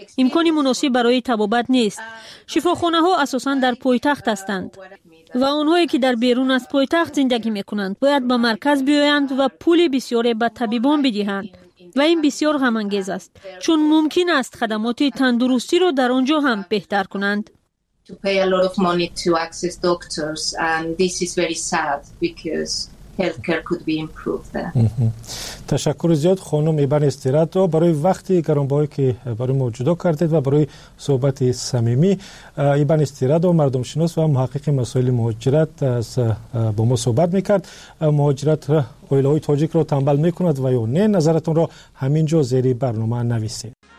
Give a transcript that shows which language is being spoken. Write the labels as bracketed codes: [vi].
[fa] امکان مناسب برای تبابت نیست. شفاخانه ها اساساً در پایتخت هستند. و اونهایی که در بیرون از پایتخت زندگی میکنند، باید به مرکز بیایند و پول بسیار به طبیبان بدهند. و این بسیار غم‌انگیز است. چون ممکن است خدمات تندرستی را در آنجا هم بهتر کنند. [en] To pay a lot of money to access doctors, and this is very sad because healthcare could be improved there. [fa] تشکر زیاد خانم ایبن استرات و برای وقتی گرانبهایی که برای ما جدا کردید و برای صحبت صمیمی. ایبن استرات و مردم شناس و محقق مسائل مهاجرت از با ما صحبت میکرد. مهاجرت اویلهای تاجیک را تنبل میکند و یا نه؟ نظرتون را همینجا زیر برنامه نویسید.